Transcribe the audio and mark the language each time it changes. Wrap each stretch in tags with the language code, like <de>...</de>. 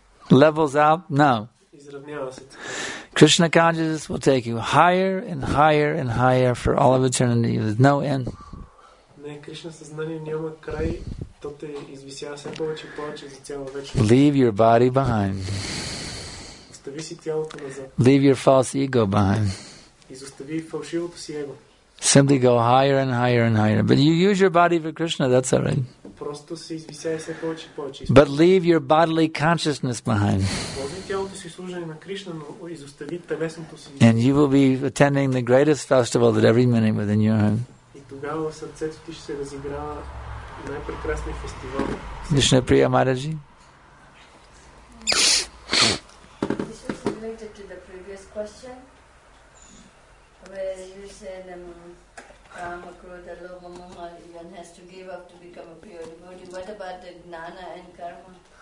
<en>Levels out? No. Krishna consciousness will take you higher and higher for all of eternity. There's no end.</en> <bg>Кришна съзнание няма край, то те извисява все повече и повече за цяла вечност.</bg> <en>Leave your body behind.</en> <bg>Остави си тялото назад.</bg> <en>Leave your false ego behind.</en> <bg>Изостави фалшивото си его.</bg> <en>Simply go higher and higher. But you use your body for Krishna, that's all right.</en> <bg>Просто се извисява все повече и повече.</bg> <en>But leave your bodily consciousness behind.</en> <bg>Остави тялото си служене на Кришна, но изостави телесното си.</bg> <en>And you will be attending the greatest festival that every minute within your heart.</en> <bg>Тогава в сърцето ти ще се разиграва най-прекрасния фестивал. Вишна Прия Мараджи.</bg> <en>This was related to the previous question where you said Rama Krodha Lobha Moha one has to give up to become a pure devotee. What about the gnana and karma?</en>